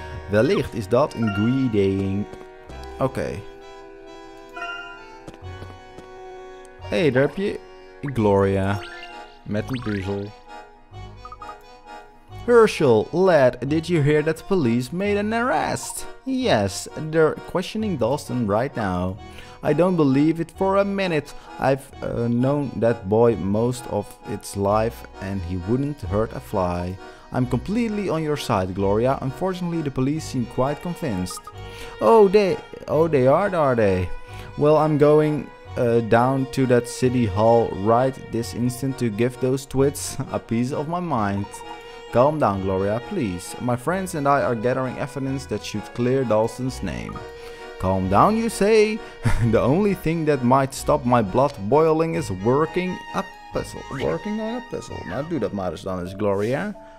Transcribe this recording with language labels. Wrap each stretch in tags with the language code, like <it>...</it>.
<nl>Wellicht is dat een goede idee. Okay. Hey, daar heb je Gloria met een puzzel.</nl> <en>Herschel, lad, did you hear that the police made an arrest? Yes, they're questioning Dalston right now. I don't believe it for a minute. I've known that boy most of its life and he wouldn't hurt a fly. I'm completely on your side, Gloria. Unfortunately, the police seem quite convinced. Oh, they are they? Well, I'm going down to that city hall right this instant to give those twits a piece of my mind. Calm down, Gloria, please. My friends and I are gathering evidence that should clear Dalston's name. Calm down, you say? The only thing that might stop my blood boiling is working a puzzle. Working on a puzzle.</en> <nl>Nou, doe dat maar eens dan eens, Gloria.</nl>